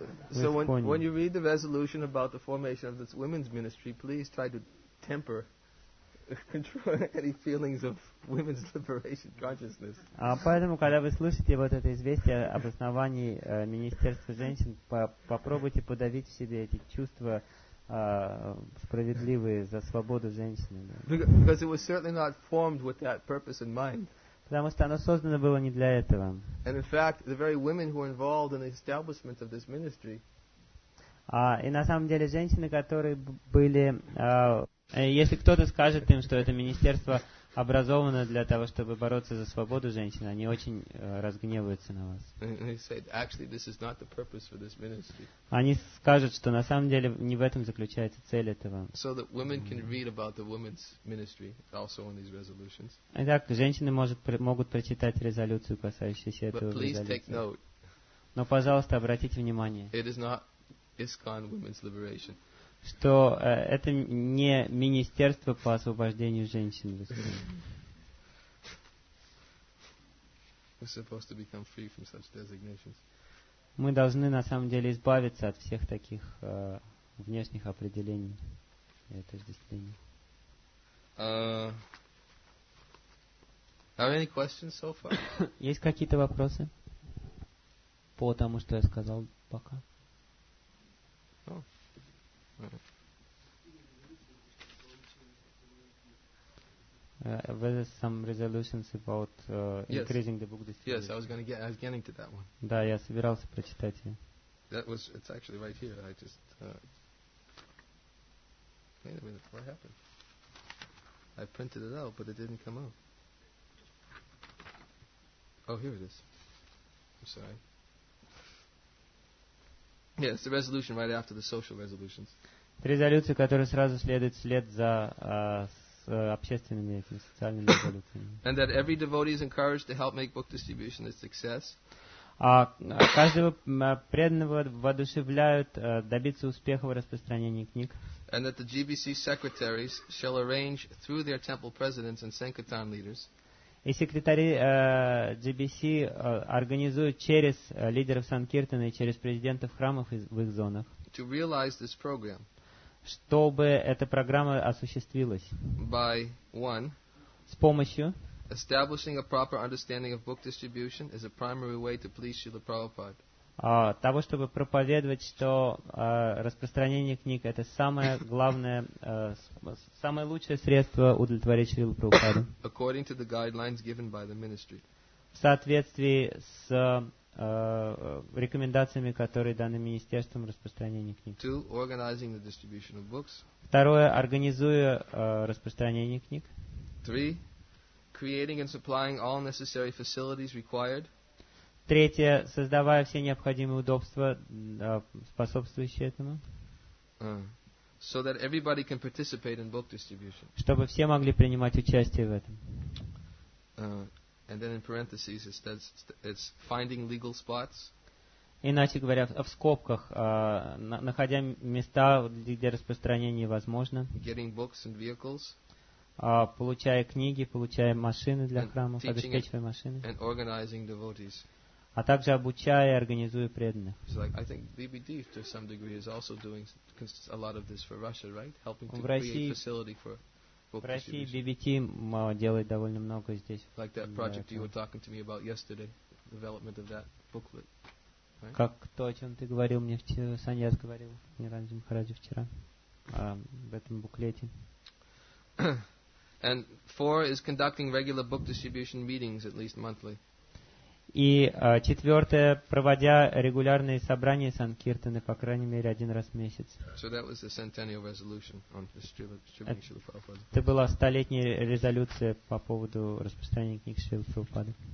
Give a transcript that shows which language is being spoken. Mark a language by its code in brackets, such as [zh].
[en] So when you read the resolution about the formation of this women's ministry, please try to temper control any feelings of women's liberation consciousness. [ru] Поэтому, когда вы слушаете вот это известие об основании министерства женщин, попробуйте подавить в себе эти чувства справедливые за свободу женщин. [en] Because it was certainly not formed with that purpose in mind. [ru] Потому что оно создано было не для этого. [en] And in fact, the very women who were involved in the establishment of this ministry. [ru] И на самом деле женщины, которые были, если кто-то скажет им, что это министерство образовано для того, чтобы бороться за свободу женщин, они очень разгневаются на вас. [en] They said, actually, this is not the purpose for this ministry. [ru] Они скажут, что на самом деле не в этом заключается цель этого. [en] So that women can read about the women's ministry also in these resolutions. [ru] Итак, женщины могут прочитать резолюцию, касающуюся этого [en] But please take note. [ru] Но, пожалуйста, обратите внимание. [en] It is not ISKCON Women's Liberation. [ru] что это не министерство по освобождению женщин. [en] We're supposed to become free from such designations. [ru] Мы должны на самом деле избавиться от всех таких внешних определений и отождествлений. [en] Are any questions so far? [ru] Есть какие-то вопросы по тому, что я сказал пока? [en] Were some resolutions about increasing the book distribution? Yes, I was getting to that one. [ru] Да, я собирался прочитать ее. [en] That was, it's actually right here. I just wait a minute, what happened? I printed it out, but it didn't come out. Oh, here it is. I'm sorry. Yeah, it's the resolution right after the social resolutions. [ru] Резолюция, которая сразу следует вслед за общественными этими социальными резолюциями. [en] And that every devotee is encouraged to help make book distribution a success. [ru] Каждого преданного воодушевляют добиться успеха в распространении книг. [en] And that the GBC secretaries shall arrange through their temple presidents and Sankirtan leaders. [ru] И секретари GBC организуют через лидеров Санкиртана и через президентов храмов в их зонах. [en] To realize this program. [ru] Чтобы эта программа осуществилась. [en] By one. [ru] С помощью. [en] Establishing a proper understanding of book distribution is a primary way to please Srila Prabhupada. [ru] Того, чтобы проповедовать, что распространение книг – это самое главное, самое лучшее средство удовлетворить Шрилу Прабхупаду. [en] According to the guidelines given by the ministry. [ru] В соответствии с рекомендациями, которые даны Министерством распространения книг. [en] Two, organizing the distribution of books. [ru] Второе – организуя распространение книг. [en] Three, creating and supplying all necessary facilities required. [ru] Третье, создавая все необходимые удобства, способствующие этому. [en] So that everybody can participate in book distribution. [ru] Чтобы все могли принимать участие в этом. [en] And then in parentheses it says it's finding legal spots. [ru] Иначе говоря, в скобках, находя места, где распространение возможно. [en] Getting books and vehicles. [ru] Получая книги, получая машины для храмов, обеспечивая машины. [en] And organizing devotees. [ru] А также обучая и организуя преданных. [en] So like, I think BBD to some degree is also doing a lot of this for Russia, right? Helping to create facility for book [ru] В России BBD делает довольно много здесь. [en] Like that project you were talking to me about yesterday, development of that booklet. Right? [ru] Как то, о чем ты говорил мне вчера, Саньяс говорил мне Ранджи Махараджи вчера, в этом буклете. [en] And four is conducting regular book distribution meetings at least monthly. [ru] И четвертое, проводя регулярные собрания Санкиртаны, по крайней мере, один раз в месяц. [en] So that was the centennial resolution on distributing Srila Prabhupada. [ru] Это была столетняя резолюция по поводу распространения книг Шрилы Прабхупады.